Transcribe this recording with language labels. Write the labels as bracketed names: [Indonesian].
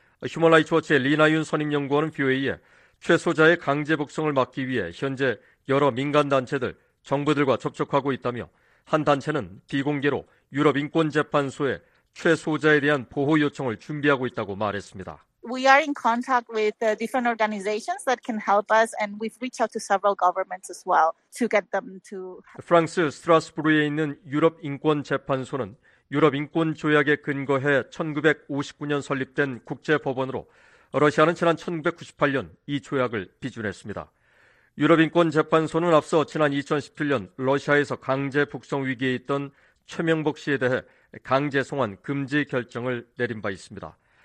[Korean] 휴먼라이츠워치의 리나윤 선임연구원은 VOA에 최 소자의 강제 북송을 막기 위해 현재 여러 민간단체들, 정부들과 접촉하고 있다며 한 단체는 비공개로 유럽인권재판소에 최 소자에 대한 보호 요청을 준비하고 있다고 말했습니다. [English] We are in contact with the different organizations that can help us and we've reached out to several governments as well to get them to [Korean] 프랑스 스트라스부르에 있는 유럽인권재판소는 유럽인권조약에 근거해 1959년 설립된 국제법원으로 러시아는 지난 1998년 이 조약을 비준했습니다. 유럽인권재판소는 앞서 지난 2017년 러시아에서 강제 북송 위기에 있던 최명복 씨에 대해 강제 송환 금지 결정을 내린 바 있습니다.